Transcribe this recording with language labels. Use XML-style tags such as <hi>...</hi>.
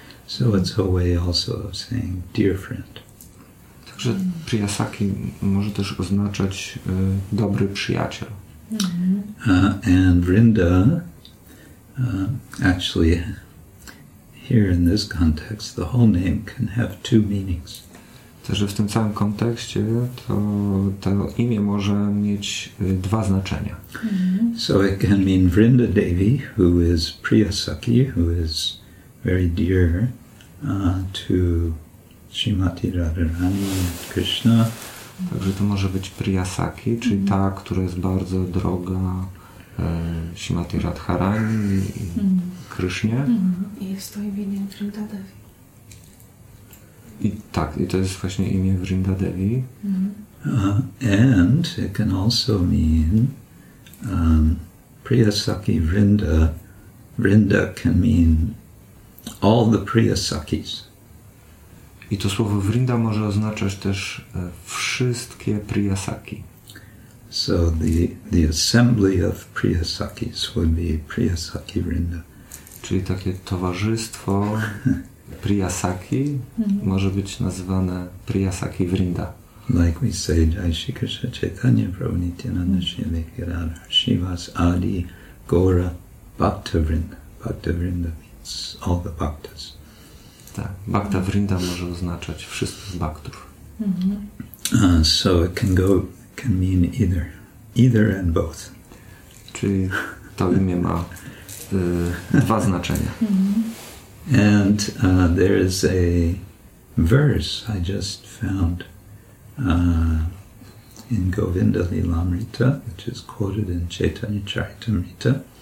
<en>So it's a way also of saying dear friend.</en> <pl>Także Priya Saki może też oznaczać dobry przyjaciel.</pl> <en>And Vrinda actually here in this context the whole name can have two meanings.</en> <pl>Że w tym całym kontekście to imię może mieć dwa znaczenia.</pl> <en>So it can mean Vrinda Devi, who is Priya Saki, who is very dear to Srimati Radharani and Krishna.</en> <pl>Także to może być Priya Saki, czyli ta, która jest bardzo droga Srimati Radharani i Krishnie. I stoi w imieniu Vrinda Devi. I tak, i to jest właśnie imię Vrinda Devi.</pl> <en>And it can also mean Priya Saki Vrinda. Vrinda can mean all the Priya Sakis.</en> <pl>I to słowo Vrinda może oznaczać też wszystkie Priya Saki.</pl> <en>So the assembly of Priya Sakis would be Priya Saki Vrinda.</en> <pl>Czyli takie towarzystwo Priya Saki może być nazywane Priya Saki Vrinda.</pl> <en>Like we say, Jai Shri Krishna Chaitanya Prabhu Nityananda Shri Vekirara Shivas Adi Gora Bhakta Vrinda. Bhakta Vrinda means all the Bhaktas.</en> <pl>Tak, Bhakta Vrinda może oznaczać wszystkich Bhaktów.</pl> <en>So it can go, can mean either. Either and both.</en> <pl>Czyli to imię ma dwa znaczenia.</pl> <en>And there is a verse I just found in Govinda Lilamrita, which is quoted in Chaitanya Charitamrita.</en>